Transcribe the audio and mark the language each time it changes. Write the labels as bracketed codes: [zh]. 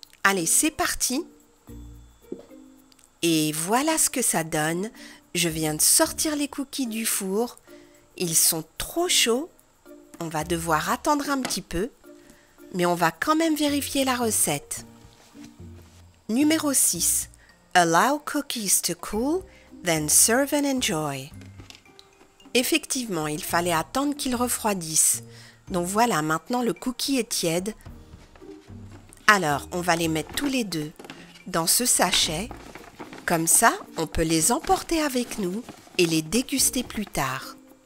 [fr] Allez, c'est parti. Et voilà ce que ça donne. Je viens de sortir les cookies du four. Ils sont trop chauds. On va devoir attendre un petit peu. Mais on va quand même vérifier la recette. Numéro 6. [en] Allow cookies to cool, then serve and enjoy. [fr] Effectivement, il fallait attendre qu'ils refroidissent. Donc voilà, maintenant le cookie est tiède. Alors, on va les mettre tous les deux dans ce sachet. Comme ça, on peut les emporter avec nous et les déguster plus tard.